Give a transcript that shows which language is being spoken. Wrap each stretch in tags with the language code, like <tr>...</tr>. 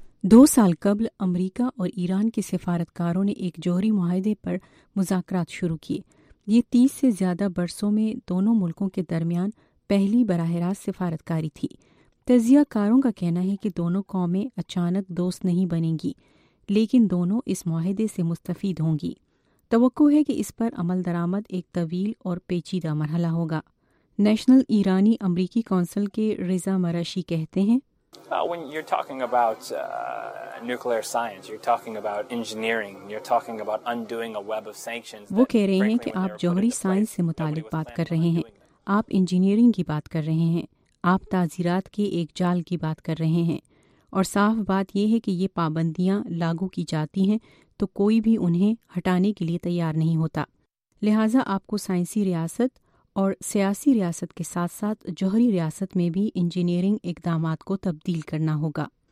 <ur>دو سال قبل امریکہ اور ایران کے سفارتکاروں نے ایک جوہری معاہدے پر مذاکرات شروع کیے۔ یہ 30 سے زیادہ برسوں میں دونوں ملکوں کے درمیان پہلی براہ راست سفارتکاری تھی۔ تجزیہ کاروں کا کہنا ہے کہ دونوں قومیں اچانک دوست نہیں بنیں گی، لیکن دونوں اس معاہدے سے مستفید ہوں گی۔ توقع ہے کہ اس پر عمل درآمد ایک طویل اور پیچیدہ مرحلہ ہوگا۔ نیشنل ایرانی امریکی کونسل کے رضا مرشی کہتے ہیں،</ur> <en>When you're talking about nuclear science, you're talking about engineering, you're talking about undoing a web of sanctions.</en> <ur>وہ کہہ رہے ہیں کہ آپ جوہری سائنس سے متعلق بات کر رہے ہیں، آپ انجینئرنگ کی بات کر رہے ہیں، آپ تعزیرات کے ایک جال کی بات کر رہے ہیں، اور صاف بات یہ ہے کہ یہ پابندیاں لاگو کی جاتی ہیں تو کوئی بھی انہیں ہٹانے کے لیے تیار نہیں ہوتا۔ لہٰذا آپ کو سائنسی ریاست اور سیاسی ریاست کے ساتھ ساتھ جوہری ریاست میں بھی انجینئرنگ اقدامات کو تبدیل کرنا ہوگا۔</ur>